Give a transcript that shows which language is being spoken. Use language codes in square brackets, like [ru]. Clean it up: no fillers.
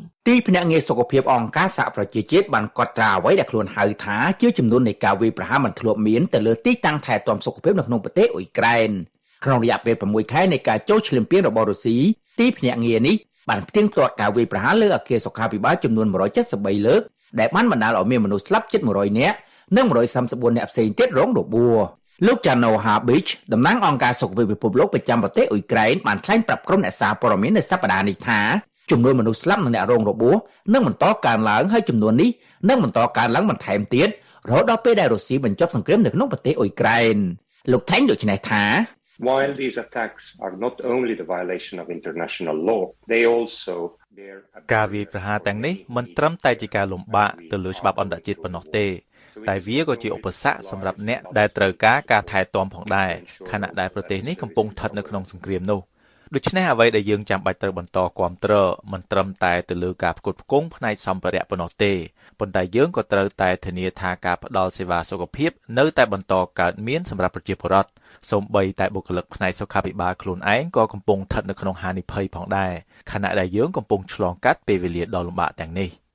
[km] ទីភ្នាក់ងារសុខភាពអង្គការសហប្រជាជាតិបានកត់ត្រាអ្វីដែលខ្លួនហៅថាជាចំនួននៃការវាយប្រហារមិនធ្លាប់មានទៅលើទីតាំងថែទាំសុខភាពនៅក្នុងប្រទេសអ៊ុយក្រែនក្នុងរយៈពេល6ខែនៃការចូលឈ្លានពានរបស់រុស្ស៊ីទីភ្នាក់ងារនេះបានផ្ទៀងផ្ទាត់ការវាយប្រហារលើអគារសុខាភិបាលចំនួន173លើកដែលបានបណ្តាលឲ្យមានមនុស្សស្លាប់ជិត100នាក់និង134នាក់ផ្សេងទៀតរងរបួសលោកចាណូហាប៊ីឆតំណាងអង្គការសុខភាពពិភពលោកប្រចាំប្រទេសអ៊ុយក្រែនបានថ្លែងប្រាប់ក្រុមអ្នកសារព័ត៌មាននៅសប្តាហ៍នេះថា ចំនួនមនុស្សស្លាប់និងអ្នករងរបួសនឹងបន្តកើនឡើងហើយចំនួននេះនឹងបន្តកើនឡើងបន្ថែមទៀតរហូតដល់ពេលដែលរុស្ស៊ីបញ្ចប់សង្គ្រាមនៅក្នុងប្រទេសអ៊ុយក្រែនលោកថែងដូច្នេះថា [en] While these attacks are not only the violation of international law, they also bear a [km] ការវាយប្រហារទាំងនេះមិនត្រឹមតែជាការលំបាកទៅលើច្បាប់អន្តរជាតិប៉ុណ្ណោះទេតែវាក៏ជាឧបសគ្គសម្រាប់អ្នកដែលត្រូវការការថែទាំផងដែរខណៈដែលប្រទេសនេះកំពុងស្ថិតនៅក្នុងសង្គ្រាមនោះ ដូច្នេះអ្វីដែលយើងចាំបាច់ត្រូវបន្តគ្រប់គ្រងមិនត្រឹមតែទៅលើការផ្គត់ផ្គង់ផ្នែកសម្ភារៈប៉ុណ្ណោះទេប៉ុន្តែយើងក៏ត្រូវតែធានាថាការផ្តល់សេវាសុខភាពនៅតែបន្តកើតមានសម្រាប់ប្រជាពលរដ្ឋសូម្បីតែបុគ្គលិកផ្នែកសុខាភិបាលខ្លួនឯងក៏កំពុងស្ថិតនៅក្នុងហានិភ័យផងដែរខណៈដែលយើងកំពុងឆ្លងកាត់ពេលវេលាដ៏លំបាកទាំងនេះ